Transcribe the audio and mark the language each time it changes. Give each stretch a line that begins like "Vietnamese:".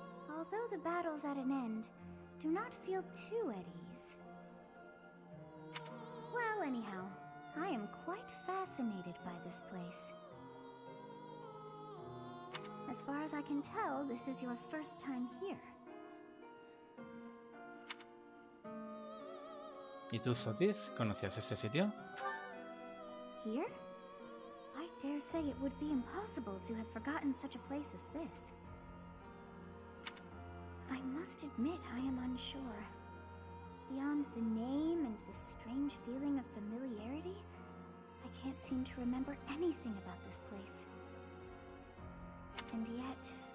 English: Although the battle's at an end, do not feel too at ease. Well, anyhow, I am quite fascinated by this place. As far as I can tell, this is your first time here.
Spanish: ¿Y tú, Sotis, conocías ese sitio?
English: Here? I dare say it would be impossible to have forgotten such a place as this. I must admit I am unsure. Beyond the name and the strange feeling of familiarity, I can't seem to remember anything about this place. And yet,